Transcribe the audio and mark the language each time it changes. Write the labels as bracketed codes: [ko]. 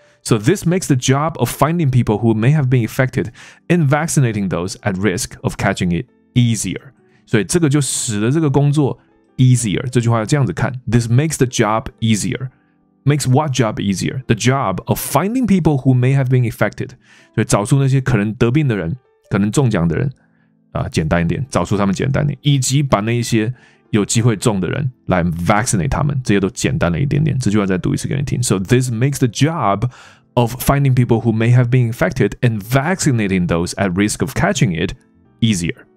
[en] So this makes the job of finding people who may have been affected and vaccinating those at risk of catching it easier. [zh] 所以这个就使得这个工作 easier， 这句话要这样子看 [en] This makes the job easierMakes what job easier? The job of finding people who may have been affected. [zh] 所以找出那些可能得病的人，可能中奖的人，简单一点，找出他们简单一点，以及把那些有机会中的人来 vaccinate 他们，这些都简单了一点点。这句话再读一次给你听。 [en] So this makes the job of finding people who may have been infected and vaccinating those at risk of catching it easier.